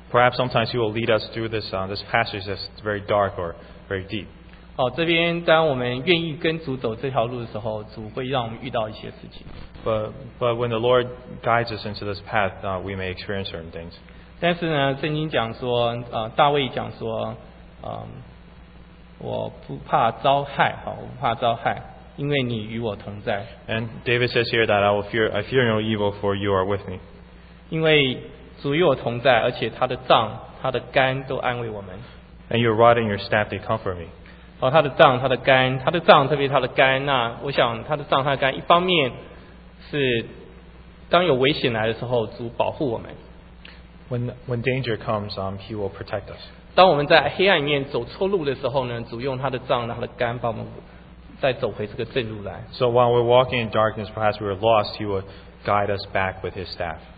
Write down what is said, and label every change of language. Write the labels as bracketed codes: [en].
[en] Perhaps sometimes He will lead us through this passage that's very dark or very deep. [zh] 好，这边当我们愿意跟主走这条路的时候，主会让我们遇到一些事情。 [en] But when the Lord guides us into this path, we may experience certain things. [zh] 但是呢，圣经讲说，大卫讲说，我不怕遭害，哈，我不怕遭害。因为你与我同在。 [en] And David says here that I fear no evil, for you are with me. [zh] 因为主与我同在，而且他的杖、他的竿都安慰我们。 [en] And your rod and your staff they comfort me. [zh] 好，他的杖、他的竿、他的杖，特别他的竿。那我想，他的杖、他的竿，一方面是当有危险来的时候，主保护我们。 [en] When danger comes, He will protect us. [zh] 当我们在黑暗里面走错路的时候呢，主用他的杖、他的竿帮我们。再走回这个正路来。 [en] So while we're walking in darkness, perhaps we were lost, He would guide us back with His staff.